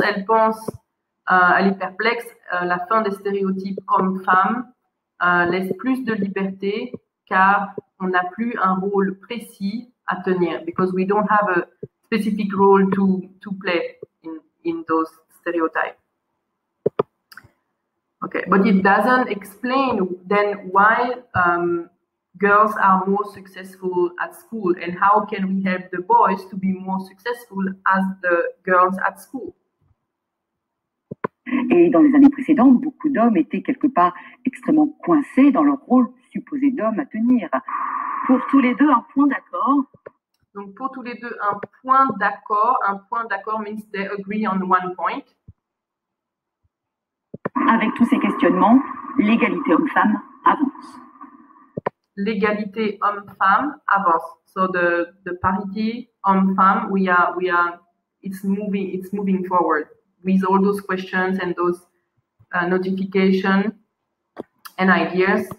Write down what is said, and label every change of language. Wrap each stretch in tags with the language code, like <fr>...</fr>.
<fr>Elle pense, elle est perplexe, la fin des stéréotypes homme-femme laisse plus de liberté car on n'a plus un rôle précis à tenir.</fr> <en>Because we don't have a specific role to play in those stereotype. Okay, but it doesn't explain then why girls are more successful at school and how can we help the boys to be more successful as the girls at school.</en> <fr>Et dans les années précédentes, beaucoup d'hommes étaient quelque part extrêmement coincés dans leur rôle supposé d'homme à tenir. Pour tous les deux, un point d'accord. Donc, pour tous les deux, un point d'accord. Un point d'accord</fr> <en>means they agree on one point.</en> <fr>Avec tous ces questionnements, l'égalité homme-femme avance. L'égalité homme-femme avance.</fr> <en>So the parity homme-femme, we are it's moving forward with all those questions and those notifications and ideas.</en>